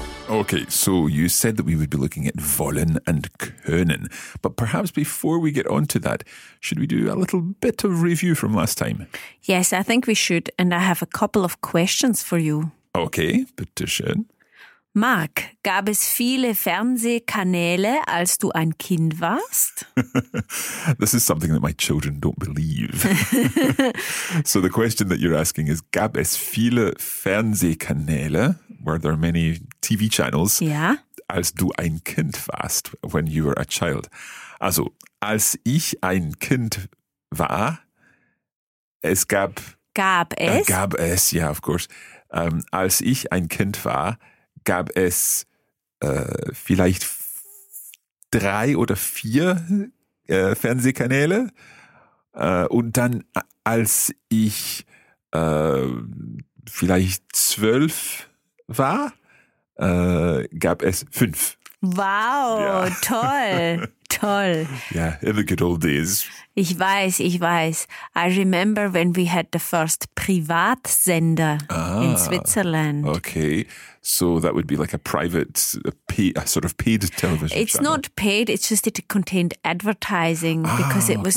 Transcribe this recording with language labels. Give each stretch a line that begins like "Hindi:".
English: Okay, so you said that we would be looking at wollen and können. But perhaps before we get on to that, should we do a little bit of review from last time? Yes, I think we should. And I have a couple of questions for you.
German: Okay, bitte schön. Marc, gab es viele Fernsehkanäle, als du ein Kind warst?
English: This is something that my children don't believe. So the question that you're asking is,
German: gab es viele Fernsehkanäle?
English: Were there many TV channels?
German: Ja. Als du ein Kind warst,
English: when you were a child.
German: Also, als ich ein Kind war, es gab... Gab es? Gab es, ja,
English: of course.
German: Als ich ein Kind war, gab es vielleicht drei oder vier Fernsehkanäle. Und dann, als ich vielleicht 12 war, gab es 5.
English: Wow,
German: ja. Toll, toll.
English: Yeah, in the good old days.
German: Ich weiß, ich weiß.
English: I remember when we had the first Privatsender in Switzerland. Okay, so that would be like a private, a sort of paid television It's channel. Not paid, it's just it contained advertising because it was